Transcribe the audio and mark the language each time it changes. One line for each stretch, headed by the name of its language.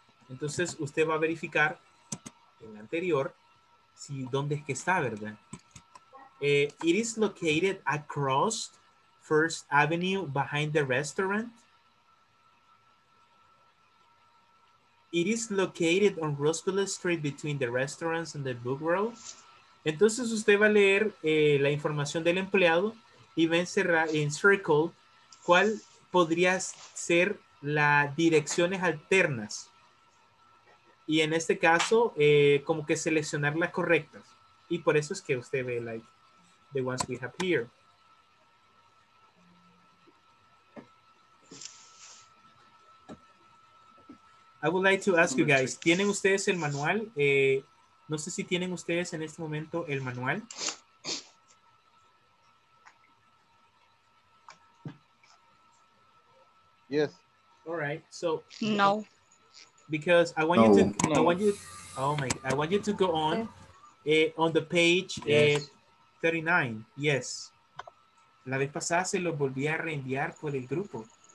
Spanish: Entonces, usted va a verificar en la anterior si dónde es que está, ¿verdad?
English: It is located across First Avenue behind the restaurant. It is located on Roosevelt Street between the restaurants and the book world.
Spanish: Entonces usted va a leer la información del empleado y va a encerrar en circle cuál podría ser las direcciones alternas. Y en este caso, como que seleccionar las correctas. Y por eso es que usted ve
English: like the ones we have here. I would like to ask you guys,
Spanish: ¿tienen ustedes el manual? No sé si tienen ustedes en este momento el manual.
English: Yes. All right. So no. Because I want I want you to go on the page. Yes. 39, yes.
Spanish: La vez pasada se lo volví a reenviar por el grupo.